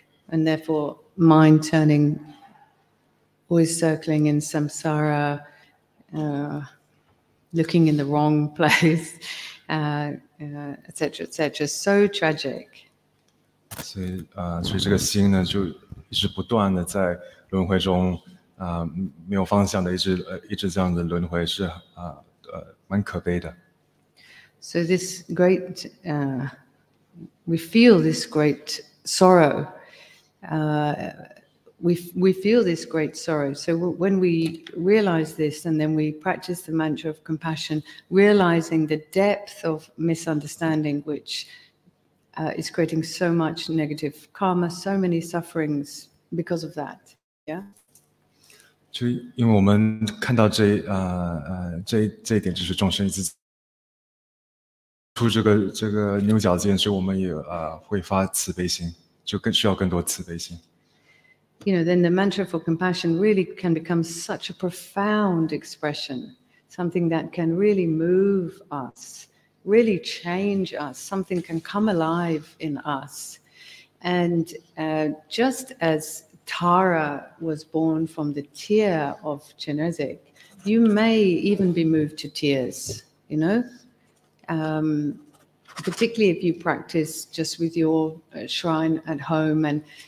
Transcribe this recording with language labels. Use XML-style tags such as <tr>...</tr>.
<en>And therefore, mind turning. Always circling in samsara, looking in the wrong place, etc., etc. So tragic.</en> <zh>所以这个心呢，就一直不断的在轮回中，没有方向的，一直这样的轮回是蛮可悲的。</zh> <en>So this great, we feel this great sorrow. We feel this great sorrow. So when we realize this, and then we practice the mantra of compassion, realizing the depth of misunderstanding, which is creating so much negative karma, so many sufferings because of that. Yeah.</en> <zh>就因为我们看到这一点，就是众生一直出这个牛角尖，所以我们也会发慈悲心，就更需要更多慈悲心。</zh> <en>You know, then the mantra for compassion really can become such a profound expression, something that can really move us, really change us, something can come alive in us. And just as Tara was born from the tear of Chinezik, you may even be moved to tears, you know, particularly if you practice just with your shrine at home and...</en>